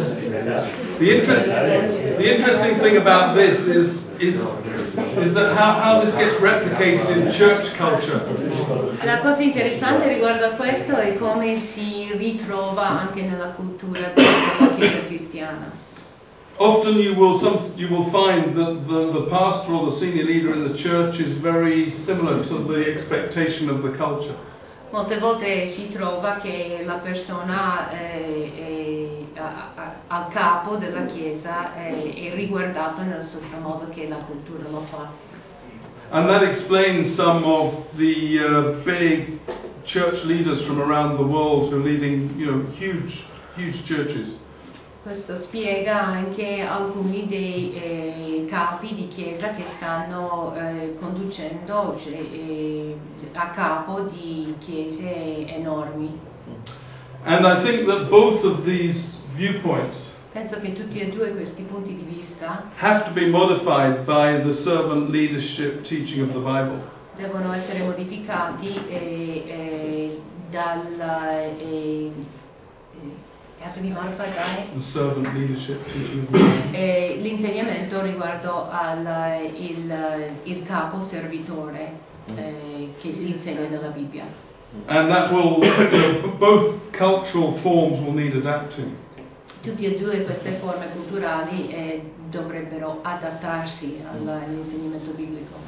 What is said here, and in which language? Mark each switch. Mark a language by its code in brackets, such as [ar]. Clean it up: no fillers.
[en] The interesting thing about this is that how this gets replicated in church culture. [it] La cosa interessante riguardo a questo è come si ritrova anche nella cultura cristiana. [en] Often you will find that the pastor or the senior leader in the church is very similar to the expectation of the culture. [it] Molte volte si trova che la persona al capo della chiesa è riguardato nello stesso modo che la cultura lo fa. [en] And that explains some of the big church leaders from around the world who are leading, you know, huge churches. [it] Questo spiega anche alcuni dei capi di chiesa che stanno conducendo, cioè, a capo di chiese enormi. [en] And I think that both of these viewpoints, [it] penso che tutti e due questi punti di vista, [en] have to be modified by the servant leadership teaching of the Bible. [it] Devono essere modificati [en] the servant leadership teaching. [it] L'insegnamento riguardo al il capo servitore che si insegna nella Bibbia. [en] And that will both cultural forms will need adapting. [it] Tutte e due queste forme culturali dovrebbero adattarsi all'insegnamento biblico.